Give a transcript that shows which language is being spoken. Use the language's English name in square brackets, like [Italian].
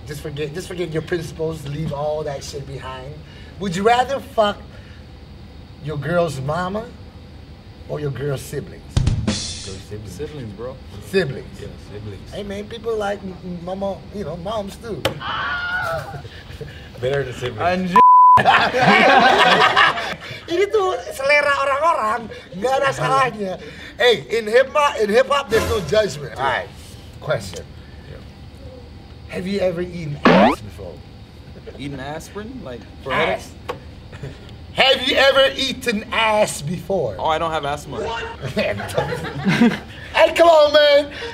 [English] Just forget your principles, leave all that shit behind. Would you rather fuck your girl's mama or your girl's siblings? Siblings, bro. Siblings. Yeah, siblings. Hey, man, people like mama, you know, moms too. Better than siblings. [Indonesian] Anj. Ini tuh selera orang-orang, nggak ada salahnya. [English] Hey, in hip hop, there's no judgment. All right, question. Have you ever eaten ass before? Eaten aspirin? Like for headaches? Have you ever eaten ass before? Oh, I don't have asthma. What? Hey, come on, man.